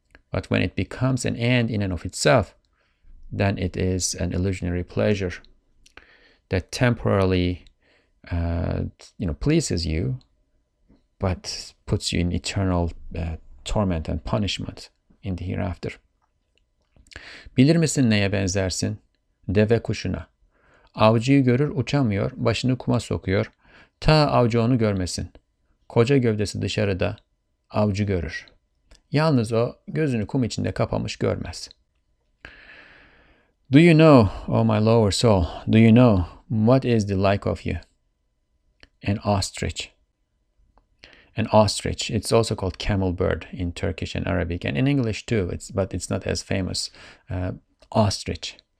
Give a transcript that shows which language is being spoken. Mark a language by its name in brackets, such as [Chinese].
[English] But when it becomes an end in and of itself, then it is an illusionary pleasure that temporarily, you know, pleases you, but puts you in eternal torment and punishment in the hereafter. [Turkish] Bilir misin neye benzersin? Deve kuşuna. Avcıyı görür, uçamıyor, başını kuma sokuyor, ta avcı onu görmesin. Koca gövdesi dışarıda, avcı görür. Yalnız o, gözünü kum içinde kapamış, görmez. [English] Do you know, oh my lower soul, do you know what is the like of you? An ostrich. An ostrich. It's also called camel bird in Turkish and Arabic, and in English too, but it's not as famous. Ostrich.